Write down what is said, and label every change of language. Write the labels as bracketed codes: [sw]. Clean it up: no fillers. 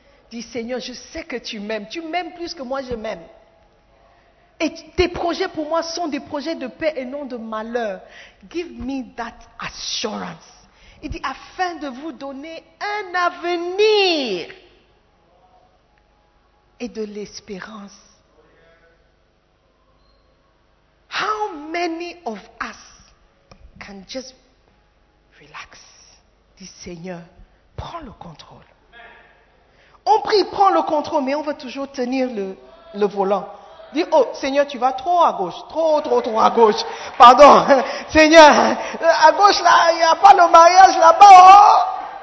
[fr] Dis, Seigneur, je sais que tu m'aimes. Tu m'aimes plus que moi, je m'aime. Et tes projets pour moi sont des projets de paix et non de malheur. [en] Give me that assurance. [fr] Il dit, afin de vous donner un avenir et de l'espérance. [en] How many of us can just relax? [fr] Dis, Seigneur, prends le contrôle. On prie, prends le contrôle, mais on veut toujours tenir le volant. Dis, oh, Seigneur, tu vas trop à gauche. Trop à gauche. Pardon. Seigneur, à gauche, là, il n'y a pas le mariage là-bas. Oh!